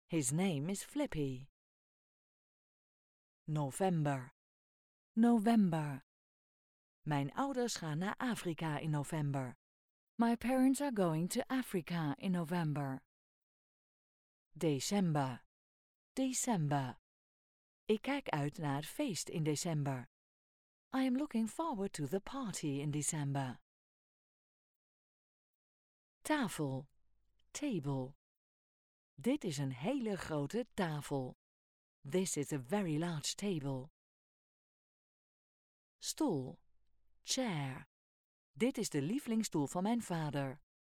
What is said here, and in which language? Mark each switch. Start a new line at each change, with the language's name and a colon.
English: His name is Flippy. November.
Dutch: Mijn ouders gaan naar Afrika in november.
English: My parents are going to Africa in November.
Dutch: December. Ik kijk uit naar het feest in december.
English: I am looking forward to the party in December. Table.
Dutch: Dit is een hele grote tafel.
English: This is a very large table.
Dutch: Stoel. Chair. Dit is de lievelingsstoel van mijn vader.